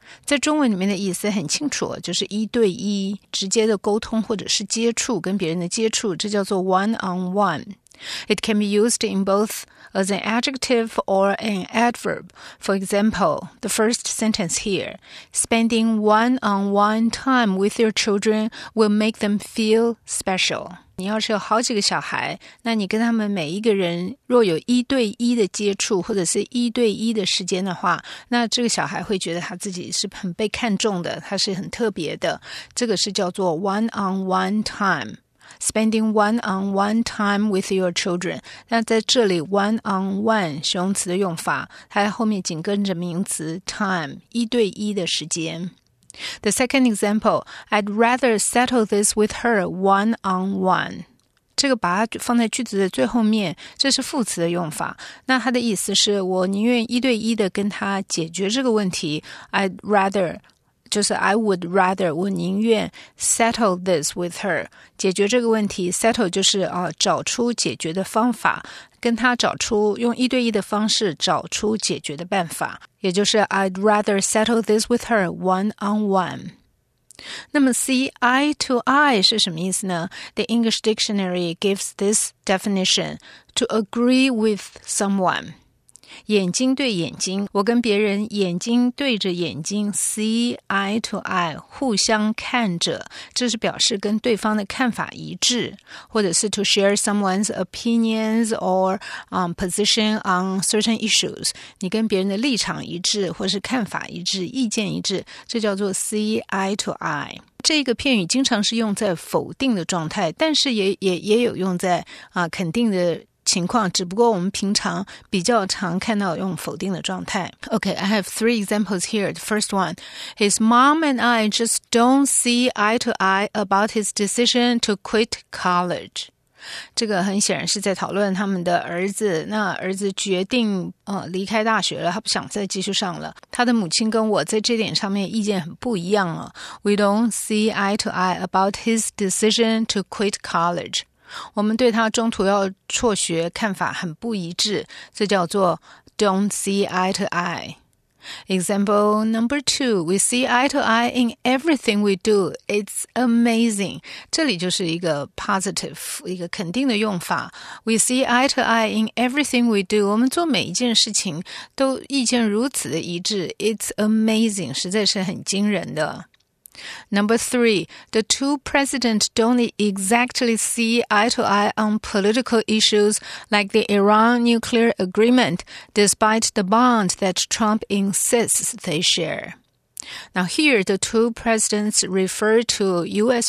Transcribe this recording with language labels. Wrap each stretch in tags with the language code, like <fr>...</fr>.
<zh>在中文里面的意思很清楚，就是一对一直接的沟通或者是接触，跟别人的接触，这叫做 one-on-one.</zh> <en>It can be used in both as an adjective or an adverb. For example, the first sentence here, spending one-on-one time with your children will make them feel special.</en> <zh>你要是有好几个小孩，那你跟他们每一个人若有一对一的接触或者是一对一的时间的话，那这个小孩会觉得他自己是很被看重的，他是很特别的。这个是叫做 one-on-one time.</zh> <en>Spending one-on-one time with your children.</en> <zh>那在这里 one-on-one 形容词的用法它后面紧跟着名词 time, 一对一的时间。</zh> <en>The second example, I'd rather settle this with her one-on-one.</en> <zh>这个把它放在句子的最后面这是副词的用法。那它的意思是我宁愿一对一的跟她解决这个问题</zh> <en>I'd rather...</en> <zh>就是</zh> <en>I would rather,</en> <zh>我宁愿</zh> <en>settle this with her.</en> <zh>解决这个问题 ,settle 就是、找出解决的方法跟他找出用一对一的方式找出解决的办法。也就是</zh> <en>I'd rather settle this with her one on one.</en> <zh>那么</zh> <en>see eye to eye</en> <zh>是什么意思呢</zh> <en>?The English dictionary gives this definition, to agree with someone.</en> <zh>眼睛对眼睛，我跟别人眼睛对着眼睛 ，see eye to eye， 互相看着，这是表示跟对方的看法一致，或者是</zh> <en>to share someone's opinions or position on certain issues，</en> <zh>你跟别人的立场一致，或是看法一致，意见一致，这叫做 see eye to eye。这个片语经常是用在否定的状态，但是也有用在、肯定的。情况只不过我们平常比较常看到用否定的状态。</zh> <en>Okay, I have three examples here. The first one, his mom and I just don't see eye to eye about his decision to quit college.</en> <zh>这个很显然是在讨论他们的儿子，那儿子决定、离开大学了，他不想再继续上了。他的母亲跟我在这点上面意见很不一样啊。</zh> <en>We don't see eye to eye about his decision to quit college.</en> <zh>我们对他中途要辍学看法很不一致，这叫做 don't see eye to eye.</zh> <en>Example number two, we see eye to eye in everything we do. It's amazing.</en> <zh>这里就是一个 positive, 一个肯定的用法。</zh> <en>We see eye to eye in everything we do.</en> <zh>我们做每一件事情都意见如此的一致。</zh> <en>It's amazing,</en> <zh>实在是很惊人的。</zh> <en>Number three, the two presidents don't exactly see eye to eye on political issues like the Iran nuclear agreement, despite the bond that Trump insists they share. Now here, the two presidents refer to U.S.</en>